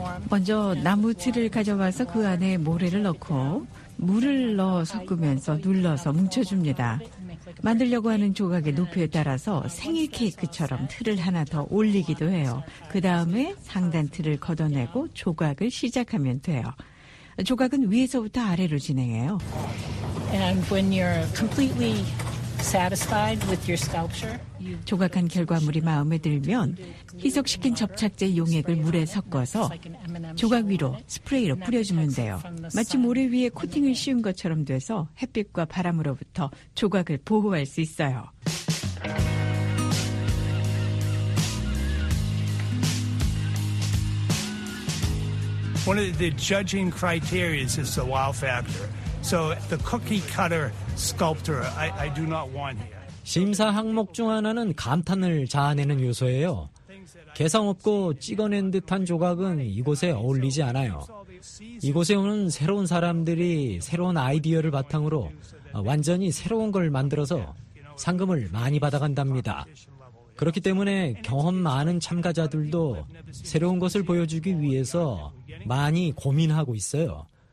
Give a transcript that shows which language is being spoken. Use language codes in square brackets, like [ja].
[ko] 먼저 나무틀을 가져와서 그 안에 모래를 넣고 물을 넣어 섞으면서 눌러서 뭉쳐줍니다. 만들려고 하는 조각의 높이에 따라서 생일 케이크처럼 틀을 하나 더 올리기도 해요. 그 다음에 상단 틀을 걷어내고 조각을 시작하면 돼요. 조각은 위에서부터 아래로 진행해요. [en] And when you're completely satisfied with your sculpture, [ko] 조각한 결과물이 마음에 들면 희석시킨 접착제 용액을 물에 섞어서 조각 위로 스프레이로 뿌려주면 돼요. 마치 모래 위에 코팅을 씌운 것처럼 돼서 햇빛과 바람으로부터 조각을 보호할 수 있어요. [en] 1 of the judging criteria is the wow factor. So the cookie cutter sculptor I do not want here. [ko] 심사 항목 중 하나는 감탄을 자아내는 요소예요. 개성 없고 찍어낸 듯한 조각은 이곳에 어울리지 않아요. 이곳에 오는 새로운 사람들이 새로운 아이디어를 바탕으로 완전히 새로운 걸 만들어서 상금을 많이 받아간답니다. 그렇기 때문에 경험 많은 참가자들도 새로운 것을 보여주기 위해서 많이 고민하고 있어요.